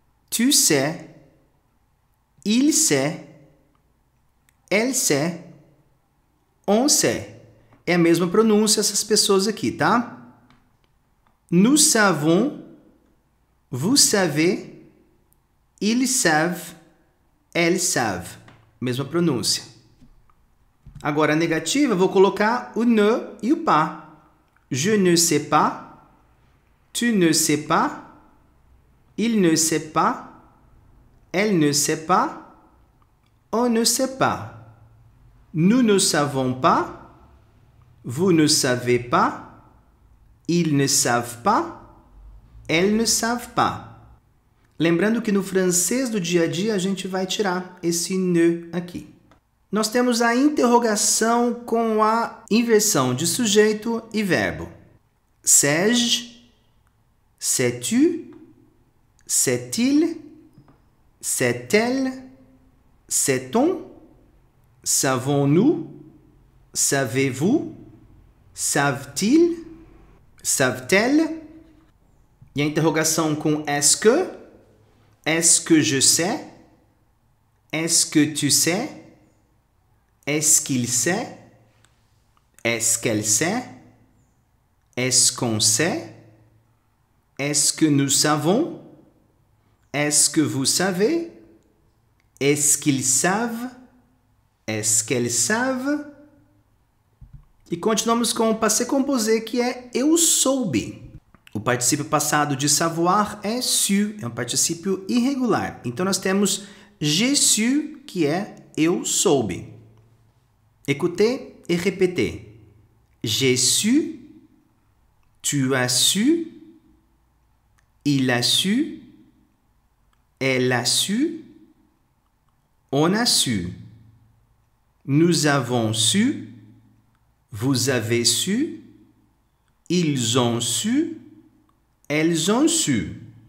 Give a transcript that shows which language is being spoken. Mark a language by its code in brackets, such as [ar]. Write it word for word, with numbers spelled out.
[fr] Tu sais, il sait, elle sait, on sait. [pt] É a mesma pronúncia essas pessoas aqui, tá? [fr] Nous savons, vous savez, ils savent, elles savent. [pt] Mesma pronúncia. Agora a negativa, vou colocar o ne e o pas. [fr] Je ne sais pas, tu ne sais pas. Il ne sait pas, elle ne sait pas, on ne sait pas. Nous ne savons pas, vous ne savez pas, ils ne savent pas, elles ne savent pas. [pt] Lembrando que no francês do dia a dia a gente vai tirar esse ne aqui. Nós temos a interrogação com a inversão de sujeito e verbo. [fr] Sais-je, sais-tu? Sait-il, sait-elle, sait-on, savons-nous, savez-vous, savent-ils, savent-elles. [pt] E a interrogação com [fr] est-ce que, est-ce que je sais, est-ce que tu sais, est-ce qu'il sait, est-ce qu'elle sait, est-ce qu'on sait, est-ce que nous savons. Est-ce que vous savez? Est-ce qu'ils savent? Est-ce qu'elles savent? [pt] E continuamos com o passé composé, que é eu soube. O particípio passado de savoir é su, é um particípio irregular. Então nós temos [fr] j'ai su, [pt] que é eu soube. [fr] Écoutez et répétez. J'ai su, tu as su, il a su, elle a su, on a su, nous avons su, vous avez su, ils ont su, elles ont su.